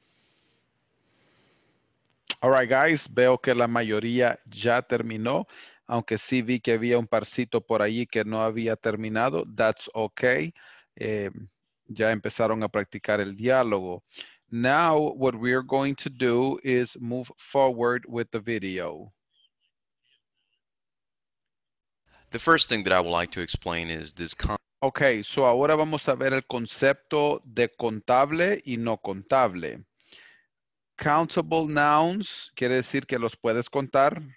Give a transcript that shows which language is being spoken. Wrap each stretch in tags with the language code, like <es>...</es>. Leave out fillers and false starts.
<en>Okay. All right, guys.</en> <es>Veo que la mayoría ya terminó. Aunque sí vi que había un parcito por allí que no había terminado.</es> <en>That's okay.</en> <es>Ya empezaron a practicar el diálogo.</es> <en>Now, what we are going to do is move forward with the video. The first thing that I would like to explain is this Okay, so</en> <es>ahora vamos a ver el concepto de contable y no contable.</es> <en>Countable nouns</en> <es>quiere decir que los puedes contar.</es>